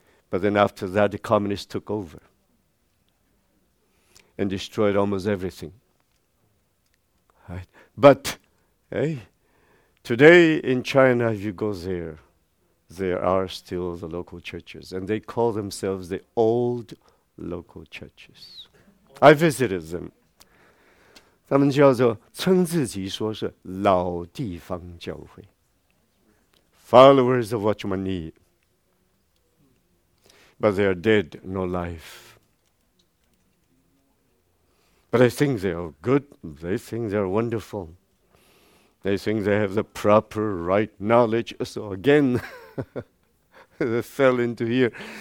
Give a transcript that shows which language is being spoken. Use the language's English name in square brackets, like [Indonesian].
[English] But then after that, the communists took over and destroyed almost everything. Right? But today in China, if you go there are still the local churches, and they call themselves the old local churches. I visited them. [Chinese] 他们叫做称自己说是老地方教会, [English] followers of Watchman Nee. But they are dead, no life. But they think they are good, they think they are wonderful. They think they have the proper right knowledge. So again, they fell into here.